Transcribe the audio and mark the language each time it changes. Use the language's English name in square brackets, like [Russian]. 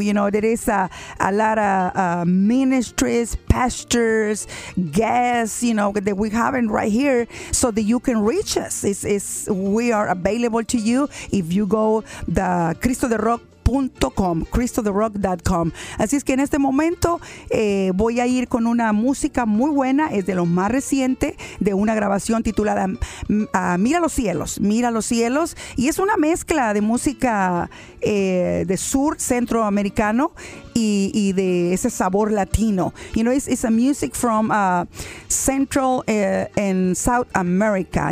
[English] You know, there is a lot of ministries, pastors, guests, you know, that we have in right here, so that you can reach us. We are available to you if you go the Cristo de Rock. CristoTheRock.com. [Spanish] Así es que en este momento voy a ir con una música muy buena. Es de lo más reciente, de una grabación titulada Mira los Cielos. Y es una mezcla de música de sur, centroamericano y de ese sabor latino. [English] You know, it's a music from Central and South America.